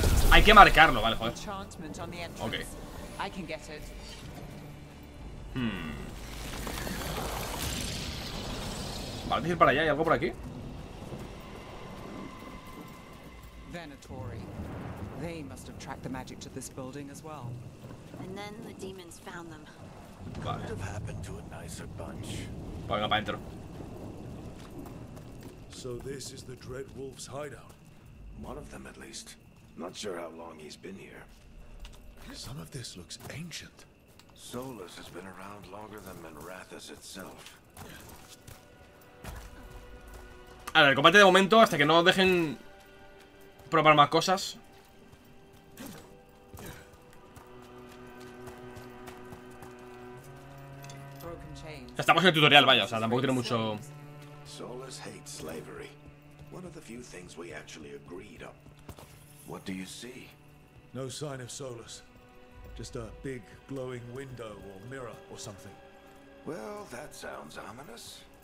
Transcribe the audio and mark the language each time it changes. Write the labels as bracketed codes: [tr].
[es] Hay que marcarlo, vale, joder. Ok. Vale, tienes que ir para allá. ¿Hay algo por aquí? [en] Venatori. They must have tracked the magic to this building as well. And then the demons found them. Could have happened to a nicer bunch. [es] Venga, pa' dentro. [en] So this is the Dread Wolf's hideout. One of them, at least. Not sure how long he's been here. Some of this looks ancient. Solas has been around longer than Menrathus itself. [es] A ver, el combate de momento, hasta que no dejen probar más cosas. Estamos en el tutorial, vaya, o sea, tampoco tiene mucho. [en] Solas hates slavery. One of the few things we actually agreed on. What do you see? No sign of Solas. Just a big glowing window or mirror or something. Well, that sounds ominous.